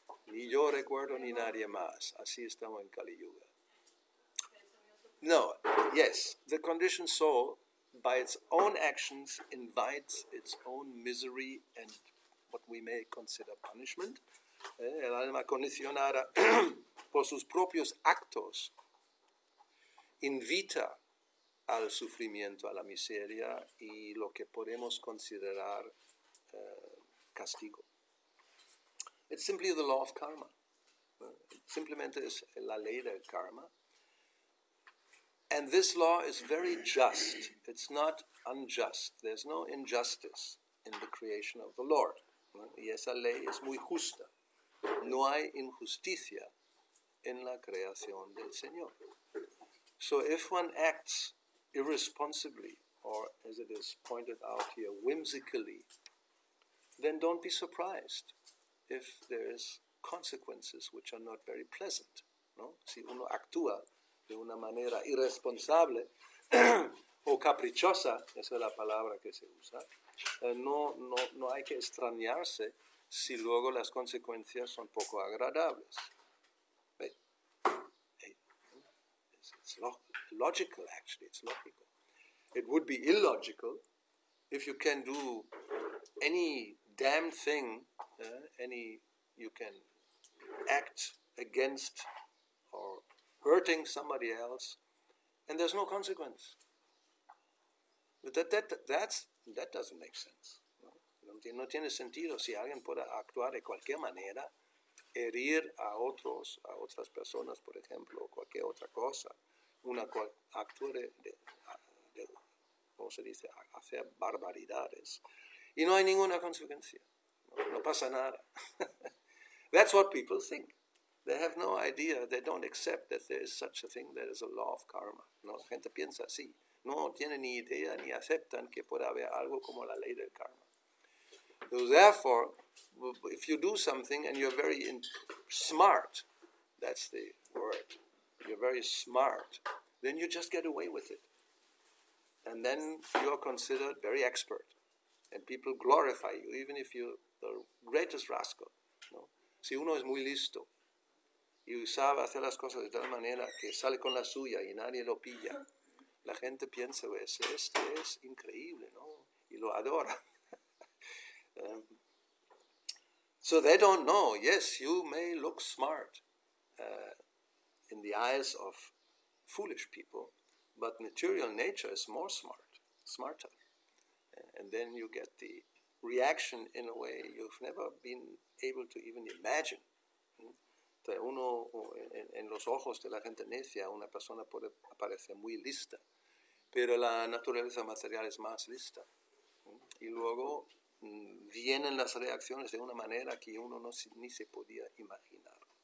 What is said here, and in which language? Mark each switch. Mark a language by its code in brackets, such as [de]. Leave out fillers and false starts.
[es] Ni yo recuerdo ni nadie más. Así estamos en Kali Yuga. [en] No, yes, the conditioned soul, by its own actions, invites its own misery and what we may consider punishment. [es] El alma condicionada, por sus propios actos, invita al sufrimiento, a la miseria y lo que podemos considerar castigo. [en] It's simply the law of karma. [es] Simplemente es la ley del karma. [en] And this law is very just. It's not unjust. There's no injustice in the creation of the Lord. [es] Y esa ley es muy justa. No hay injusticia en la creación del Señor. [en] So if one acts irresponsibly, or as it is pointed out here, whimsically, then don't be surprised if there is consequences which are not very pleasant. [es] No? Si uno actúa de una manera irresponsable o caprichosa, esa es la palabra que se usa, no hay que extrañarse si luego las consecuencias son poco agradables. [en] It's logical, actually, it's logical. It would be illogical if you can do any damn thing, you can act against or hurting somebody else, and there's no consequence. But that doesn't make sense. [es] No tiene sentido si alguien puede actuar de cualquier manera, herir a otros, a otras personas, por ejemplo, o cualquier otra cosa, hacer barbaridades, y no hay ninguna consecuencia. No pasa nada. [en] That's what people think. They have no idea. They don't accept that there is such a thing that is a law of karma. [es] No, la gente piensa así. No tienen ni idea ni aceptan que pueda haber algo como la ley del karma. [en] So therefore, if you do something and you're very smart, that's the word, you're very smart, then you just get away with it. And then you're considered very expert. And people glorify you, even if you're the greatest rascal. [es] No? Si uno es muy listo, y sabe hacer las cosas de tal manera que sale con la suya y nadie lo pilla, la gente piensa, pues, este es increíble, ¿no? Y lo adora. [en] So they don't know. Yes, you may look smart in the eyes of foolish people, but material nature is more smart, smarter. And then you get the reaction in a way you've never been able to even imagine. [es] Uno, en los ojos de la gente necia, una persona puede parecer muy lista, pero la naturaleza material es más lista. Y luego vienen las reacciones de una manera que uno no, ni se podía imaginar.